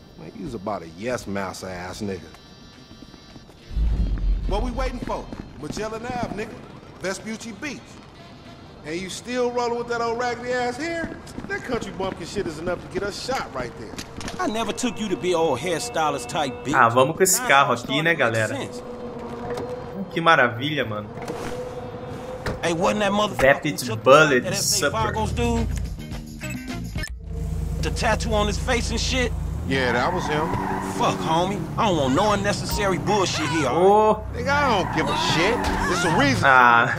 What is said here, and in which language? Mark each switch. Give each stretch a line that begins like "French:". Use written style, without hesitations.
English: Man, he's about a yes master ass nigga. What we waiting for? Magellan Ave, nigga. Vespucci Beach. And you still rolling with that old raggedy ass hair? That country bumpkin shit is enough to get us shot right there. I never took you to be old hairstylist type bitch.
Portuguese: Ah, vamos com esse carro aqui, né, galera? Que maravilha, mano.
English: Hey, wasn't that motherfucker who took the SA Vagos dude? The tattoo on his face and shit? Yeah, that was him. Fuck, homie. I don't want no unnecessary bullshit here. Oh. Nigga, I don't give a shit. It's a reason for